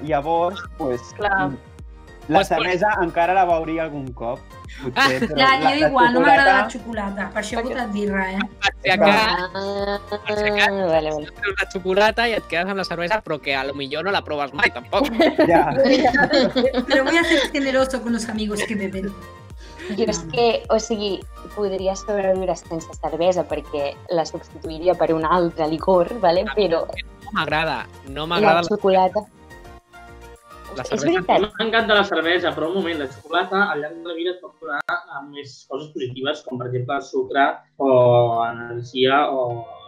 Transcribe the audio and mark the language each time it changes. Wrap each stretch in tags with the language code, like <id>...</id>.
<ca>Llavors, pues... Clar. La cervesa encara la veuria algun cop. Ja, jo igual, no m'agrada la xocolata. Per això he votat birra, eh? Per si acaso, la xocolata i et quedes amb la cervesa, però que a lo millor no la proves mai, tampoc. Ja.</ca> <es>Però voy a ser generoso con los amigos que beben.</es> <ca>Jo és que, o sigui, podria sobreviure sense cervesa perquè la substituiria per un altre licor, ¿vale? Però m'agrada. No m'agrada la xocolata. És veritat. M'encanta la cervesa, però un moment, la xocolata al llarg de la vida es pot curar amb més coses positives, com per exemple el sucre o energia o...</ca>